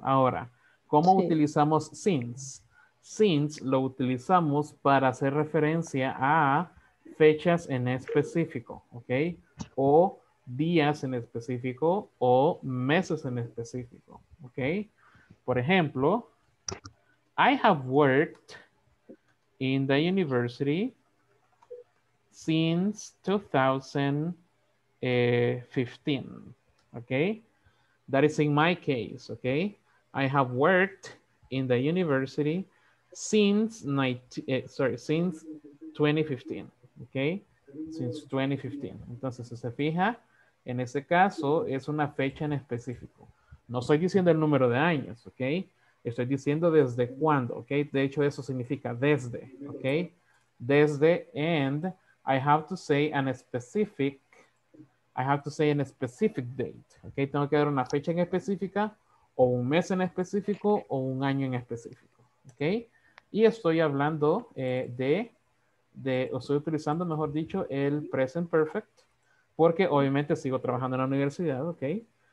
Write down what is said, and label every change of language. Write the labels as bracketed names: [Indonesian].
[Spanish] Ahora, ¿cómo sí. utilizamos since? Since lo utilizamos para hacer referencia a fechas en específico, ¿ok? O días en específico o meses en específico, ¿ok? Por ejemplo, [English] I have worked in the university since 2015, okay? That is in my case, okay? I have worked in the university since 2015, okay? Since 2015. [Spanish] Entonces, si se fija, en ese caso es una fecha en específico. No estoy diciendo el número de años, okay? Estoy diciendo desde cuándo, okay? De hecho, eso significa desde, okay? [English] Desde, and I have to say a specific date, okay? [Spanish] Tengo que dar una fecha en específica, o un mes en específico, o un año en específico, okay? Y estoy hablando estoy utilizando el present perfect, porque obviamente sigo trabajando en la universidad, okay?